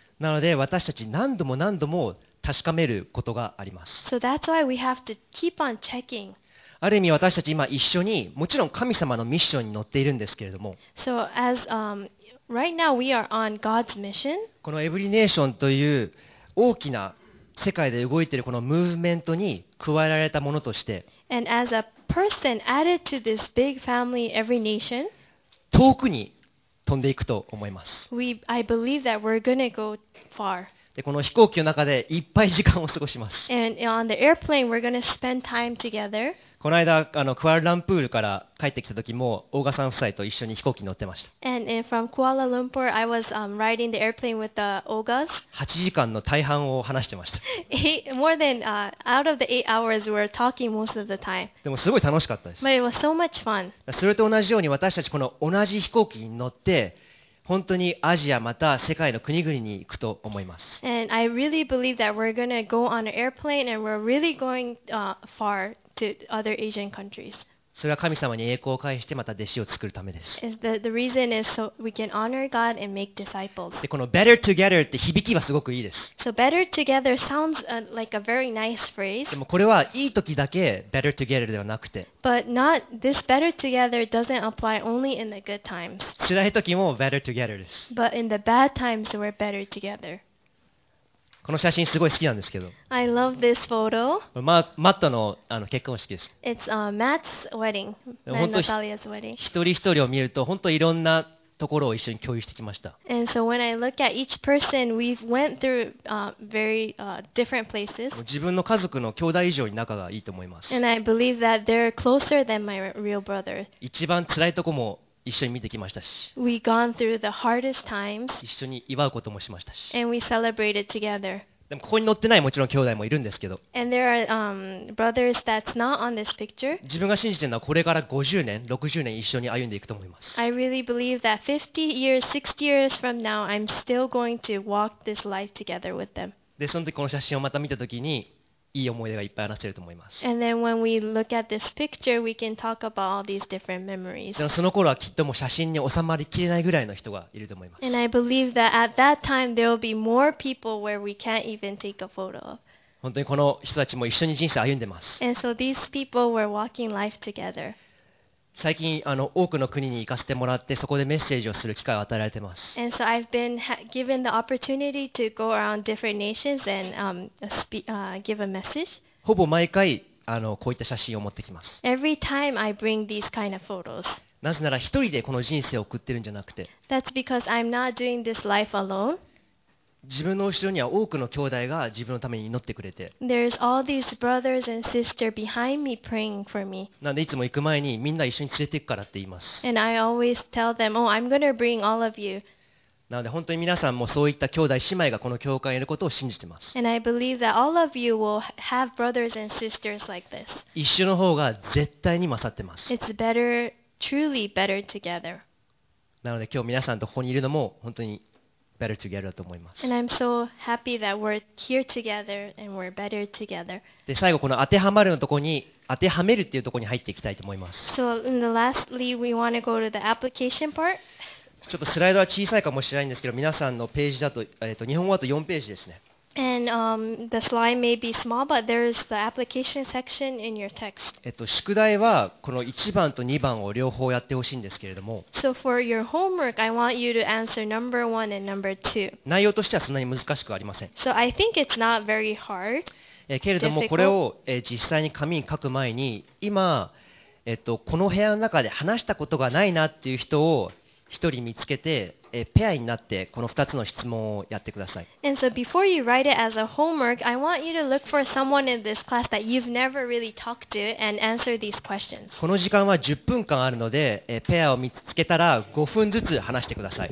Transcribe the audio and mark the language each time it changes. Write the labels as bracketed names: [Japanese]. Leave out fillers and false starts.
[Japanese] なので私たち何度も何度も確かめることがあります。 [English] So that's why we have to keep on checking. [Japanese] ある意味私たち今一緒にもちろん神様のミッションに乗っているんですけれども、 [English] so as, right、now we are on God's mission. [Japanese] このエブリネーションという大きな世界で動いているこのムーブメントに加えられたものとして、 [English] and as a person added to this big family, every nation, [Japanese] 遠くに飛んでいくと思います。 [English] I believe that we're gonna go far. [Japanese] でこの飛行機の中でいっぱい時間を過ごします。 [English] And on the airplane, we're gonna spend time together. [Japanese] この間クアラルンプールから帰ってきた時も大賀さん夫妻と一緒に飛行機に乗ってました。 [English] And from Kuala Lumpur, I was riding the airplane with the Ogas. [Japanese] 8時間の大半を話してました。 [English] More than out of the 8 hours, we're talking most of the time. [Japanese] でもすごい楽しかったです。 [English] But it was so much fun. [Japanese] それと同じように私たちこの同じ飛行機に乗って本当にアジアまた世界の国々に行くと思います。 [English] And I really believe that we're gonna go on an airplane and we're really going far to other Asian countries. [Japanese] それは神様に栄光を返してまた弟子を作るためです。 [English] The reason is so we can honor God and make disciples. [Japanese] でこの [English] better together [Japanese] って響きはすごくいいです。 [English] So better together sounds like a very nice phrase. [Japanese] でもこれはいい時だけ [English] better together [Japanese] ではなくて。 [English] But not this better together doesn't apply only in the good times. [Japanese] 辛い時も [English] better together [Japanese] です。 [English] But in the bad times we're better together. [Japanese] この写真すごい好きなんですけど。 [English] I love this photo. [Japanese] マットの、結婚式です。 [English] It's Matt's wedding, Matt and Natalia's wedding. [Japanese] 一人一人を見ると、本当いろんなところを一緒に共有してきました。 [English] And so when I look at each person, we've went through very different places. [Japanese] 自分の家族の兄弟以上に仲がいいと思います。 [English] And I believe that they're closer than my real brother. [Japanese] 一番辛いとこも一緒に見てきましたし、 [English] We gone through the hardest times. [Japanese] 一緒に祝うこともしましたし、 [English] And we celebrated together. [Japanese] でもここに乗ってないもちろん兄弟もいるんですけど、 [English] And there are, brothers that's not on this picture. [Japanese] 自分が信じているのはこれから50年、60年一緒に歩んでいくと思います。 [English] I really believe that 50 years, 60 years from now, I'm still going to walk this life together with them. [Japanese] で、その時この写真をまた見た時に、いい思い出がいっぱい話せると思います。 [English] And then when we look at this picture, we can talk about all these different memories. [Japanese] でもその頃はきっともう写真に収まりきれないぐらいの人がいると思います。 [English] And I believe that at that time there will be more people where we can't even take a photo of. [Japanese] 本当にこの人たちも一緒に人生歩んでます。 [English] And so these people were walking life together. [Japanese] 最近多くの国に行かせてもらって、そこでメッセージをする機会を与えられてます。 [English] And so I've been given the opportunity to go around different nations and give a message. [Japanese] ほぼ毎回こういった写真を持ってきます。 [English] Every time I bring these kind of photos. [Japanese] なぜなら一人でこの人生を送ってるんじゃなくて、 [English] That's because I'm not doing this life alone. [Japanese] 自分の後ろには多くの兄弟が自分のために祈ってくれて、 [English] There's all these brothers and sisters behind me praying for me. [Japanese] なんでいつも行く前にみんな一緒に連れて行くからって言います。 [English] And I always tell them, oh, I'm gonna bring all of you. [Japanese] なので本当に皆さんもそういった兄弟姉妹がこの教会にいることを信じてます。 [English] And I believe that all of you will have brothers and sisters like this. [Japanese] 一緒の方が絶対に勝ってます。 [English] It's better. Truly better together. [Japanese] なので今日皆さんとここにいるのも本当に [English] better together [Japanese] だと思います。 [English] And I'm so happy that we're here together and we're better together. [Japanese] で最後この当てはまるのところに当てはめるっていうところに入っていきたいと思います。 [English] So in the lastly, we want to go to the application part. [Japanese] ちょっとスライドは小さいかもしれないんですけど、皆さんのページだと日本語だと4ページですね。 [English] And the slide may be small, but there's the application section in your text. [Japanese] 宿題はこの1番と2番を両方やってほしいんですけれども。 [English] So for your homework, I want you to answer number 1 and number 2. [Japanese] 内容としてはそんなに難しくありません。 [English] So I think it's not very hard. [Japanese] けれどもこれを実際に紙に書く前に、今この部屋の中で話したことがないなっていう人を一人見つけて、ペアになってこの2つの質問をやってください。 [English] And so before you write it as a homework, I want you to look for someone in this class that you've never really talked to and answer these questions. [Japanese] この時間は10分間あるので、ペアを見つけたら5分ずつ話してください。